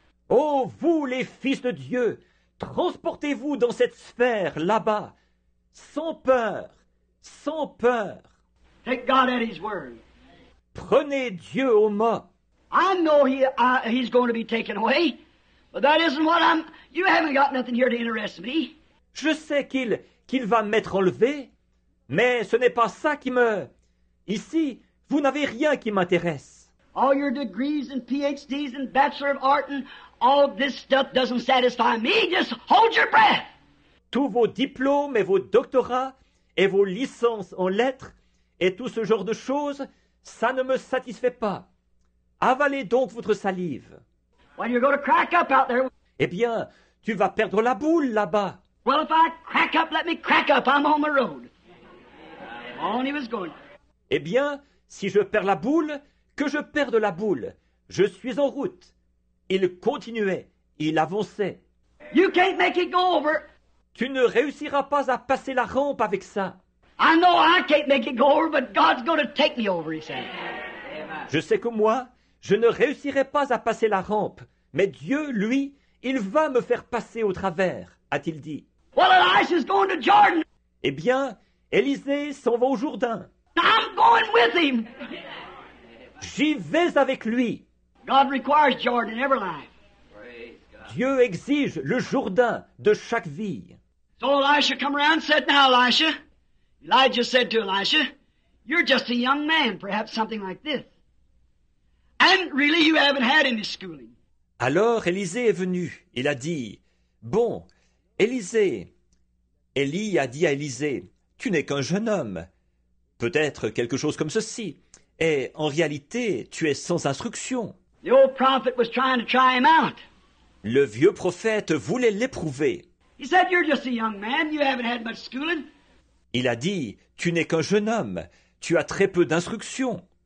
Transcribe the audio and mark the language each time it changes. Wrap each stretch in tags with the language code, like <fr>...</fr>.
<fr>Oh, vous, les fils de Dieu, transportez-vous dans cette sphère là-bas, sans peur, sans peur.</fr> <en>Take God at his word.</en> <fr>Prenez Dieu au mot.</fr> <en>I know he's going to be taken away, but that isn't what I'm... You haven't got nothing here to interest me.</en> <fr>Je sais qu'il va m'être enlevé, mais ce n'est pas ça qui me... Ici, vous n'avez rien qui m'intéresse.</fr> <en>All your degrees and PhDs and Bachelor of Art and all this stuff doesn't satisfy me. Just hold your breath.</en> <fr>Tous vos diplômes et vos doctorats et vos licences en lettres et tout ce genre de choses, ça ne me satisfait pas. Avalez donc votre salive.</fr> <en>Well, you're going to crack up out there.</en> <fr>Eh bien, tu vas perdre la boule là-bas.</fr> <en>Well, if I crack up, let me crack up. I'm on the road. On he was going.</en> <fr>Eh bien, si je perds la boule, que je perde la boule. Je suis en route. Il continuait. Il avançait.</fr> <en>You can't make it go over.</en> <fr>Tu ne réussiras pas à passer la rampe avec ça.</fr> <en>I know I can't make it go over, but God's going to take me over, he said.</en> <fr>Je sais que moi, je ne réussirai pas à passer la rampe, mais Dieu, lui, il va me faire passer au travers, a-t-il dit.</fr> <en>Well, Elisha's going to Jordan.</en> <fr>Eh bien, Élisée s'en va au Jourdain.</fr> <en>I'm going with him.</en> <fr>J'y vais avec lui.</fr> <en>God requires Jordan in every life.</en> <fr>Dieu exige le Jourdain de chaque vie.</fr> <en>So Elisha come around and said, now Elisha, Elijah said to Elisha, you're just a young man, perhaps something like this. And really, you haven't had any schooling.</en> <fr>Alors, Élisée est venu. Il a dit, bon, Élisée. Élie a dit à Élisée, tu n'es qu'un jeune homme. Peut-être quelque chose comme ceci. Et en réalité, tu es sans instruction.</fr> <en>The old prophet was trying to try him out.</en> <fr>Le vieux prophète voulait l'éprouver.</fr> <en>He said, you're just a young man. You haven't had much schooling.</en> <fr>Il a dit, tu n'es qu'un jeune homme. Tu as très peu d'instructions.</fr>